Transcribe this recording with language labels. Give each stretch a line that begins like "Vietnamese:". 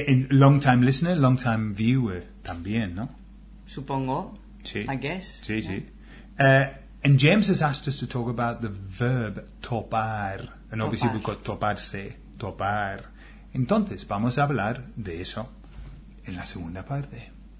English: Long-time listener, long-time viewer,
Spanish: también, ¿no? Supongo. Sí.
English: I guess.
Spanish: Sí,
English: yeah.
Spanish: Sí.
English: And James has asked us to talk about the verb topar. And
Spanish: topar.
English: Obviously we've got toparse, topar.
Spanish: Entonces, vamos a hablar de eso en la segunda parte.